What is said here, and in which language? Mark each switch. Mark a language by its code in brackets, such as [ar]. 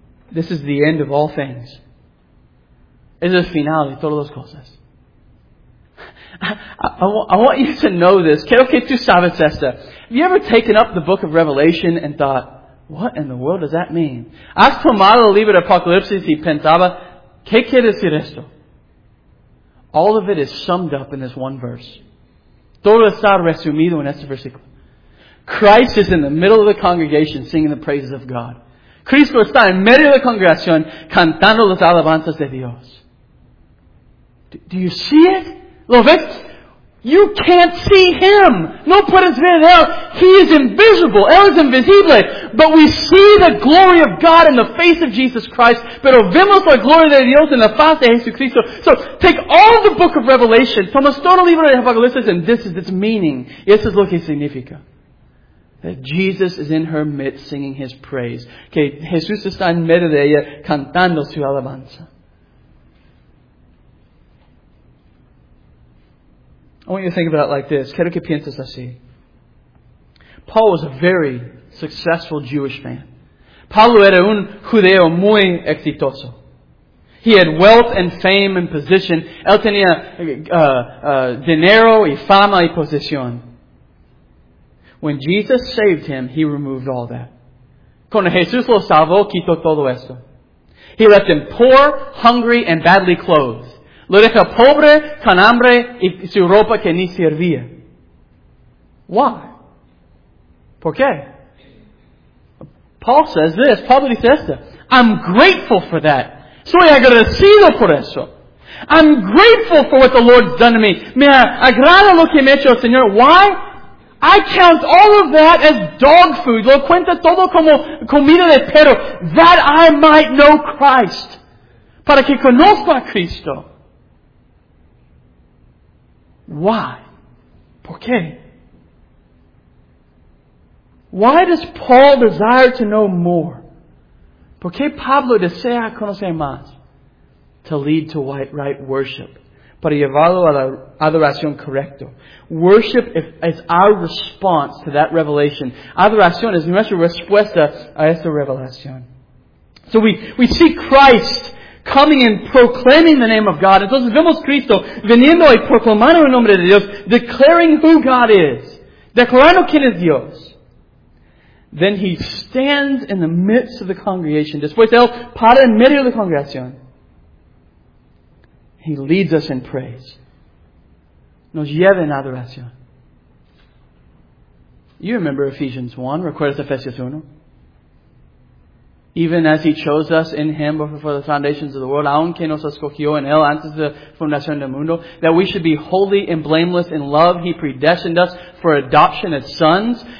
[en] This is the end of all things. [es] Es el final de todas las cosas. [en] I want you to know this. [es] Quiero que tú sabes esto. [en] Have you ever taken up the book of Revelation and thought, what in the world does that mean? [es] ¿Has tomado el libro de Apocalipsis y pensaba, qué quiere decir esto? All of it is summed up in this one verse. Todo está resumido en este versículo. [en] Christ is in the middle of the congregation singing the praises of God. [es] Cristo está en medio de la congregación cantando las alabanzas de Dios. [en] Do you see it? [es] ¿Lo ves? [en] You can't see him. [es] No puedes ver él. [en] He is invisible. [es] Él es invisible. [en] But we see the glory of God in the face of Jesus Christ. [es] Pero vemos la gloria de Dios en la faz de Jesucristo. [en] So take all the book of Revelation, [es] toma todo el libro de Apocalipsis, [en] and this is its meaning. Esto es lo que significa. That Jesus is in her midst singing his praise. [es] Que Jesús está en medio de ella cantando su alabanza. [en] I want you to think about it like this. [es] Quiero que pienses así. [en] Paul was a very successful Jewish man. [es] Pablo era un judío muy exitoso. [en] He had wealth and fame and position. [es] Él tenía dinero y fama y posición. [en] When Jesus saved him, he removed all that. [es] Cuando Jesús lo salvó, quitó todo esto. [en] He left him poor, hungry, and badly clothed. [es] Lo deja pobre, con hambre, y su ropa que ni servía. [en] Why? [es] ¿Por qué? [en] Paul says this. [es] Pablo dice esto. [en] I'm grateful for that. [es] Soy agradecido por eso. [en] I'm grateful for what the Lord's done to me. [es] Me agrada lo que me ha hecho el Señor. [en] Why? I count all of that as dog food. [es] Lo cuenta todo como comida de perro. [en] That I might know Christ. [es] Para que conozca a Cristo. [en] Why? [es] ¿Por qué? [en] Why does Paul desire to know more? [es] ¿Por qué Pablo desea conocer más? [en] To lead to right worship. [es] Para llevarlo a la adoración correcta. [en] Worship is our response to that revelation. [es] Adoración es nuestra respuesta a esta revelación. [en] So we see Christ coming and proclaiming the name of God. [es] Entonces vemos Cristo viniendo y proclamando el nombre de Dios, [en] declaring who God is. [es] Declarando quién es Dios. [en] Then he stands in the midst of the congregation. [es] Después él para en medio de la congregación. [en] He leads us in praise. [es] Nos lleva en adoración. [en] You remember Ephesians 1, [es] ¿recuerdas Efesios 1? [en] Even as he chose us in him before the foundations of the world, [es] aunque nos escogió en él antes de fundación del mundo, [en] that we should be holy and blameless in love, he predestined us for adoption as sons.